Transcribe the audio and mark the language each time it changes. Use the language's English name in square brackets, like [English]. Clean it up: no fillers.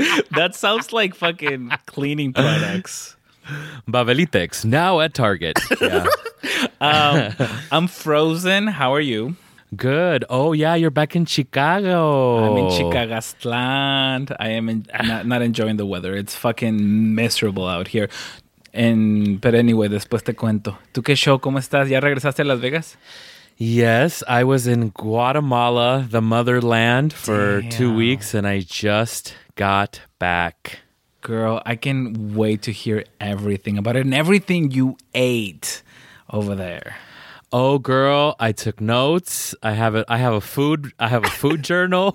[English] That sounds like fucking cleaning products. Babelitex, now at Target. Yeah. I'm frozen. How are you? Good. Oh, yeah, you're back in Chicago. I'm in Chicagastland. I am not enjoying the weather. It's fucking miserable out here. But anyway, [Spanish] después te cuento. ¿Tú qué show? ¿Cómo estás? ¿Ya regresaste a Las Vegas? [English] Yes, I was in Guatemala, the motherland, for Damn. 2 weeks, and I just got back. Girl, I can't wait to hear everything about it and everything you ate over there. Oh, girl, I took notes. I have a food journal